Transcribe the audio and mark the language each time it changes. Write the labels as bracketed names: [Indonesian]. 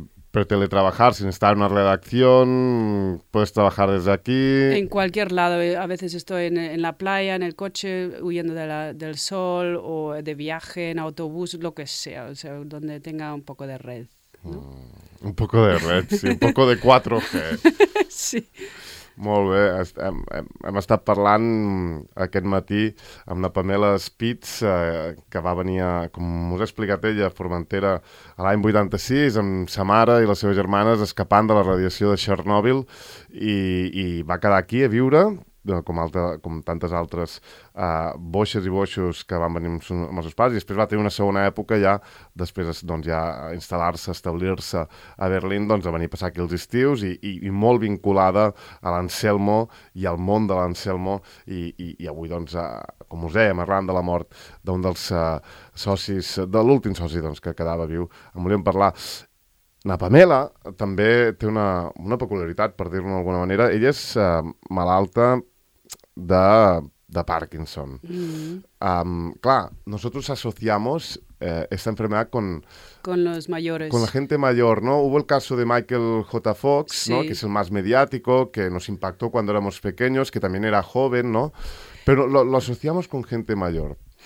[Spanish] Pero teletrabajar sin estar en una redacción, puedes trabajar desde aquí... En cualquier lado. A veces estoy en la playa, en el coche, huyendo del sol, o de viaje, en autobús, lo que sea. O sea, donde tenga un poco de red, ¿no? Un poco de red, sí. Un poco de 4G. Sí. [Catalan] Molt bé, hem estat parlant aquest matí amb la Pamela Spitz, que va venir, com us ha explicat ella, a Formentera l'any 86, amb sa mare i les seves germanes escapant de la radiació de Txernòbil, i va quedar aquí a viure, com tantes altres boixes i boixos que van venir amb els seus pares, i després va tenir una segona època ja, després doncs, ja instal·lar-se, establir-se a Berlín, doncs, a venir a passar aquí els estius, i molt vinculada a l'Anselmo i al món de l'Anselmo, i avui, doncs, com us dèiem, arran de la mort d'un dels socis, de l'últim soci doncs, que quedava viu, en volíem parlar. La Pamela també té una peculiaritat, per dir-ho d'alguna manera. Ella és malalta de Parkinson. Mm-hmm. [Spanish] Clar, nosotros asociamos esta enfermedad con los mayores. Con la gente mayor, ¿no? Hubo el caso de Michael J. Fox, sí, ¿no? Que es el más mediático, que nos impactó cuando éramos pequeños, que también era joven, ¿no? Pero lo asociamos con gente mayor.